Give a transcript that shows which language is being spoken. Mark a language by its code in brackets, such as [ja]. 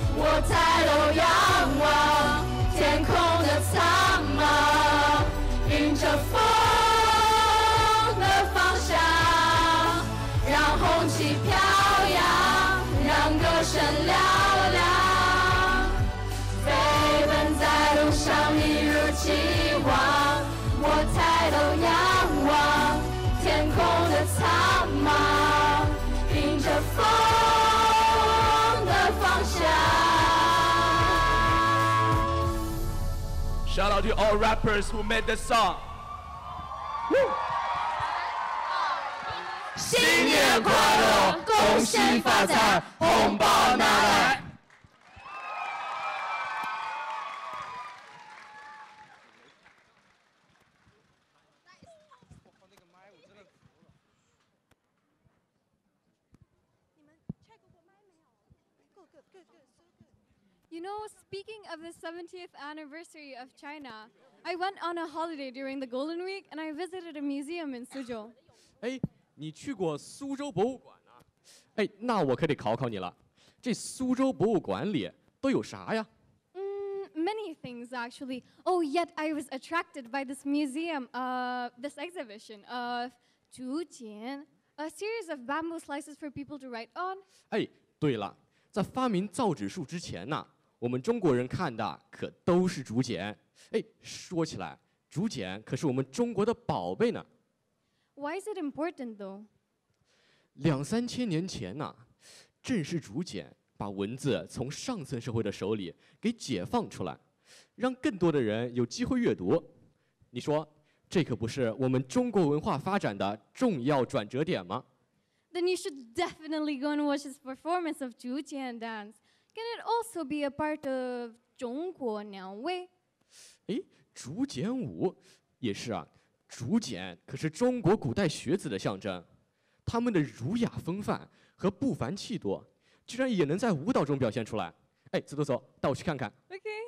[zh] 我抬头仰望天空的苍茫，迎着风的方向，让红旗飘扬，让歌声嘹亮，飞奔在路上一如既往。我抬头仰望天空的苍茫，迎着风的方向。 [en] Shout out to all rappers who made this song. [zh] 新年快乐，恭喜发财，红包拿来。 [en] You know, speaking of the 70th anniversary of China, I went on a holiday during the Golden Week and I visited a museum in Suzhou. [zh] 哎，你去过苏州博物馆啊？哎，那我可得考考你了，这苏州博物馆里都有啥呀？ [en] Many things actually. Oh, yet I was attracted by this museum, this exhibition of 竹简, a series of bamboo slices for people to write on. [zh] 哎，对了，在发明造纸术之前呢，我们中国人看的可都是竹简。哎，说起来，竹简可是我们中国的宝贝呢。 Why is it important though? 2000-3000年前呢，正是竹简把文字从上层社会的手里给解放出来，让更多的人有机会阅读。你说，这可不是我们中国文化发展的重要转折点吗？ [en] Then you should definitely go and watch his performance of 竹简 dance. Can it also be a part of 中国年味? 诶, [zh] 竹简舞，也是啊，竹简可是中国古代学子的象征，他们的儒雅风范和不凡气度，居然也能在舞蹈中表现出来。哎，走走走，带我去看看。 [en] OK。